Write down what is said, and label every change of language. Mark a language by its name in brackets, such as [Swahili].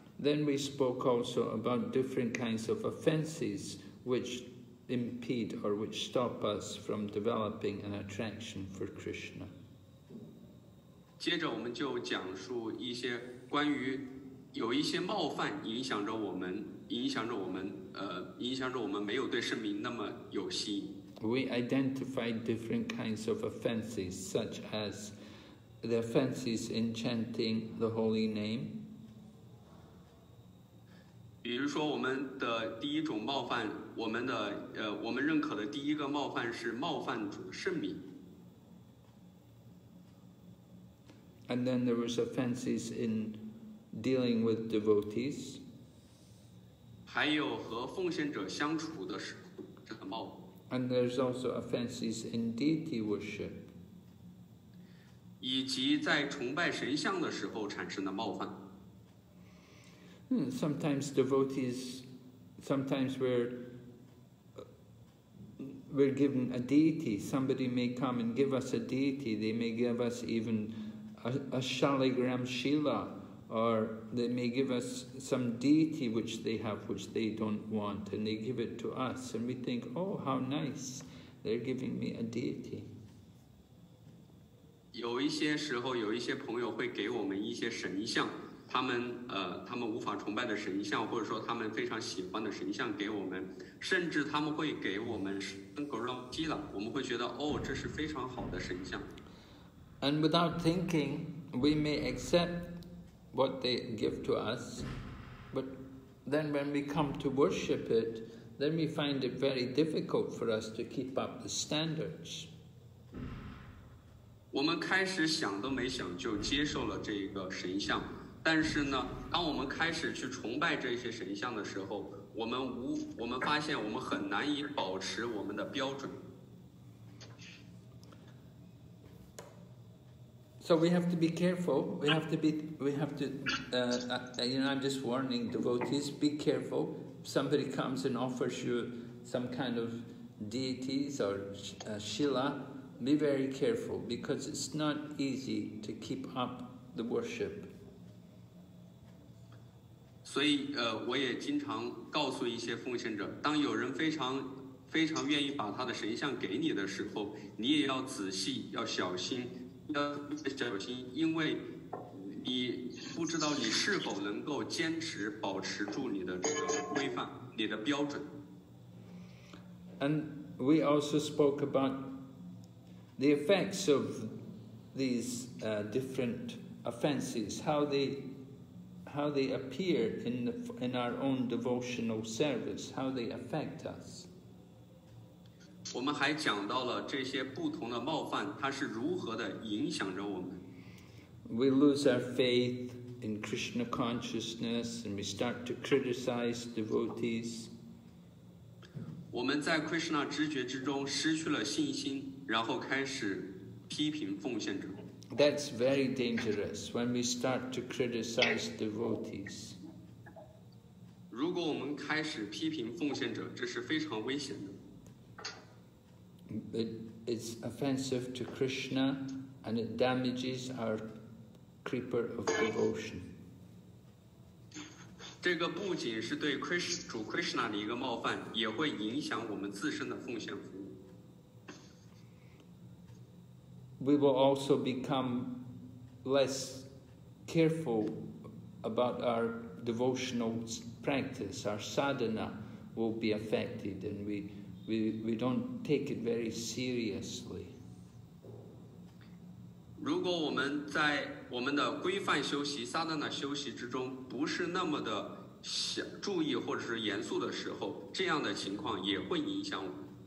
[English] Then we spoke also about different kinds of offenses which impede or which stop us from developing an attraction for Krishna. [Chinese] 接着我们就讲述一些关于有一些冒犯影响着我们没有对圣名那么有吸引。 [English] We identified different kinds of offenses such as the offenses in chanting the holy name. [Chinese] 比如说我们的第一种冒犯我们认可的第一个冒犯是冒犯主的圣名。 [English] And then there was offenses in dealing with devotees. [Chinese] 还有和奉献者相处的时候这个冒犯。 [English] And there's also offenses in deity worship. [Chinese] 以及在崇拜神像的时候产生的冒犯。 [English] Sometimes we're given a deity. Somebody may come and give us a deity. They may give us even a Shaligram Shila, or they may give us some deity which they have, which they don't want, and they give it to us. And we think, oh, how nice, they're giving me a deity. [Chinese] 有一些时候，有一些朋友会给我们一些神像。他们无法崇拜的神像，或者说他们非常喜欢的神像给我们，甚至他们会给我们Shaligram Shila，我们会觉得哦，这是非常好的神像。 [English] And without thinking, we may accept what they give to us, but then when we come to worship it, then we find it very difficult for us to keep up the standards. [Chinese] 我们开始想都没想就接受了这个神像。但是呢，当我们开始去崇拜这些神像的时候，我们发现我们很难以保持我们的标准。 [English] So we have to be careful. I'm just warning devotees. Be careful. Somebody comes and offers you some kind of deities or shila, be very careful because it's not easy to keep up the worship. [Chinese] 所以我也经常告诉一些奉献者，当有人非常非常愿意把他的神像给你的时候，你也要仔细，要小心，要小心，因为你不知道你是否能够坚持保持住你的这个规范，你的标准。 [English] And we also spoke about the effects of these different offenses, how they appear in our own devotional service, how they affect us. [Chinese] 我们还讲到了这些不同的冒犯，它是如何的影响着我们。 [English] We lose our faith in Krishna consciousness and we start to criticize devotees. [Chinese] 我们在 Krishna 知觉之中失去了信心，然后开始批评奉献者。 [English] That's very dangerous when we start to criticize devotees. [Chinese] 如果我们开始批评奉献者，这是非常危险的。 [English] It's offensive to Krishna and it damages our creeper of devotion. [Chinese] 这个不仅是对 主 Krishna 的一个冒犯，也会影响我们自身的奉献服务。 [English] We will also become less careful about our devotional practice. Our sadhana will be affected, and we don't take it very seriously. [Chinese] 如果我们在我们的规范修习 sadhana 修习之中不是那么的注意或者是严肃的时候，这样的情况也会影响我们。